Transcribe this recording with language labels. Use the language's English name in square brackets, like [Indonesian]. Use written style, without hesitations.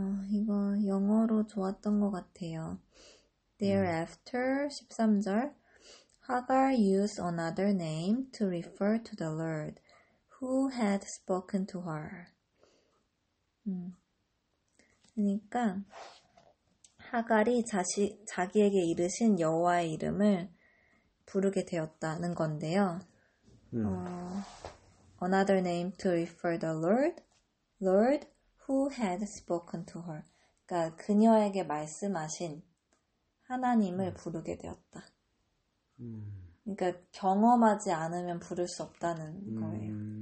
[Korean] 이거 영어로 좋았던 것 같아요. [English] Thereafter, 13절. Hagar used another name to refer to the Lord who had spoken to her. [Korean] 그러니까 하갈이 자기에게 이르신 여호와의 이름을 부르게 되었다는 건데요. [English] Another name to refer the Lord who had spoken to her. [Korean] 그러니까 그녀에게 말씀하신 하나님을 부르게 되었다. 그러니까 경험하지 않으면 부를 수 없다는 거예요.